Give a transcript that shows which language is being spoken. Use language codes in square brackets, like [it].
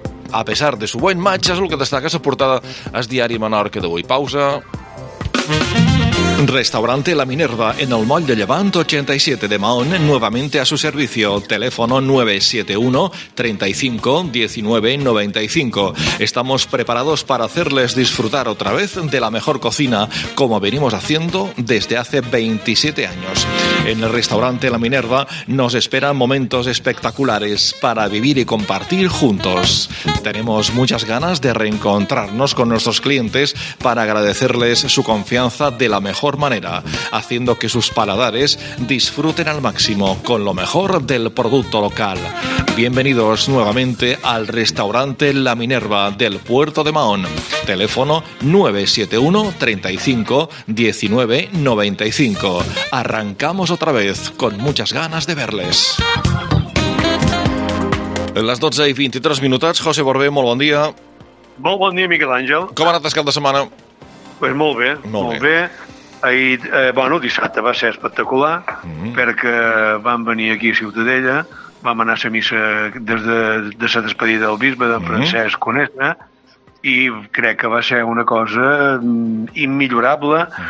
[es] A pesar de su buen match, [ca] és el que destaca la portada al Diari Menorca d'avui. [es] Pausa. Restaurante La Minerva, en el Moll de Llevant 87 de Mahón, nuevamente a su servicio. Teléfono 971-35-1995. Estamos preparados para hacerles disfrutar otra vez de la mejor cocina, como venimos haciendo desde hace 27 años. En el restaurante La Minerva nos esperan momentos espectaculares para vivir y compartir juntos. Tenemos muchas ganas de reencontrarnos con nuestros clientes para agradecerles su confianza de la mejor manera, haciendo que sus paladares disfruten al máximo con lo mejor del producto local. Bienvenidos nuevamente al restaurante La Minerva del Puerto de Mahón. Teléfono 971-35-1995. Arrancamos otra vez con muchas ganas de verles. En las 12:23, José Borbé, muy buen día. Muy buen día, Miquel Àngel. ¿Cómo andas cada semana? Pues muy bien, muy bien. [ca] Ahir, bueno, dissabte va ser espectacular, perquè vam venir aquí a Ciutadella, vam anar a la missa des de la despedida del bisbe, d'en Francesc Conesa, i crec que va ser una cosa immillorable.